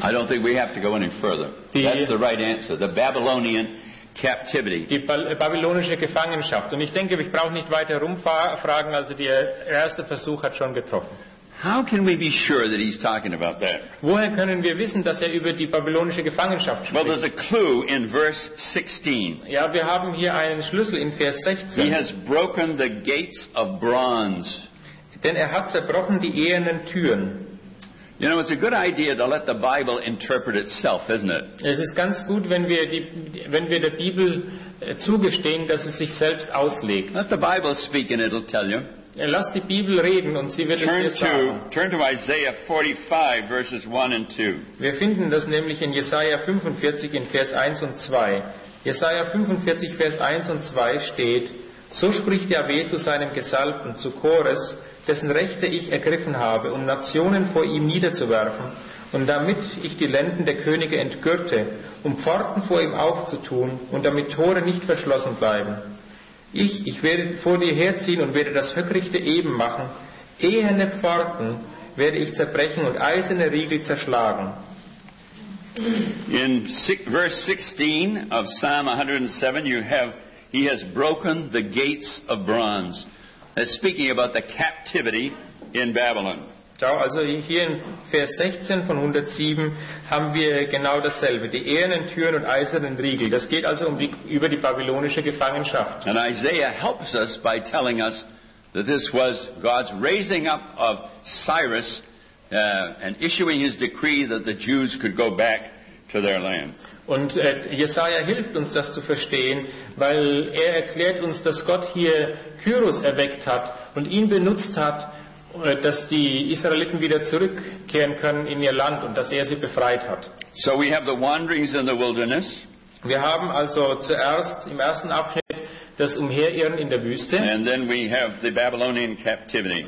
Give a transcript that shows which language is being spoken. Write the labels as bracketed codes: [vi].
[en] I don't think we have to go any further. That's the right answer. The Babylonian captivity. [de] Die babylonische Gefangenschaft. Und ich denke, ich brauche nicht weiter rumfragen. Also der erste Versuch hat schon getroffen. [en] How can we be sure that he's talking about that? [de] Woher können wir wissen, dass über die babylonische Gefangenschaft spricht? [en] Well, there's a clue in verse 16. [de] Ja, wir haben hier einen Schlüssel in Vers 16. [en] He has broken the gates of bronze. [de] Denn hat zerbrochen die ehernen Türen. [en] You know, it's a good idea to let the Bible interpret itself, isn't it? [de] Es ist ganz gut, wenn wir der Bibel zugestehen, dass es sich selbst auslegt. [en] Let the Bible speak and it'll tell you. [de] Lass die Bibel reden und sie wird [en] turn [de] es dir sagen. [en] Turn to Isaiah 45, verses 1 and 2. [de] Wir finden das nämlich in Jesaja 45 in Vers 1 und 2. Jesaja 45, Vers 1 und 2 steht: So spricht Yahweh zu seinem Gesalbten, zu Kores, dessen Rechte ich ergriffen habe, um Nationen vor ihm niederzuwerfen, und damit ich die Lenden der Könige entgürte, um Pforten vor ihm aufzutun und damit Tore nicht verschlossen bleiben. Ich werde vor dir herziehen und werde das Höckrichte eben machen. Eherne Pforten werde ich zerbrechen und eiserne Riegel zerschlagen. [en] In verse 16 of Psalm 107 you have, he has broken the gates of bronze. That's speaking about the captivity in Babylon. [de] Also hier in Vers 16 von 107 haben wir genau dasselbe. Die ehernen Türen und eisernen Riegel. Das geht also um die, über die babylonische Gefangenschaft. [en] And Isaiah helps us by telling us that this was God's raising up of Cyrus and issuing his decree that the Jews could go back to their land. [de] Und Jesaja hilft uns, das zu verstehen, weil er erklärt uns, dass Gott hier Kyros erweckt hat und ihn benutzt hat, dass die Israeliten wieder zurückkehren können in ihr Land und dass er sie befreit hat. [en] So we have the wanderings in the wilderness. [de] Wir haben also zuerst im ersten Abschnitt das Umherirren in der Wüste. [en] And then we have the Babylonian captivity.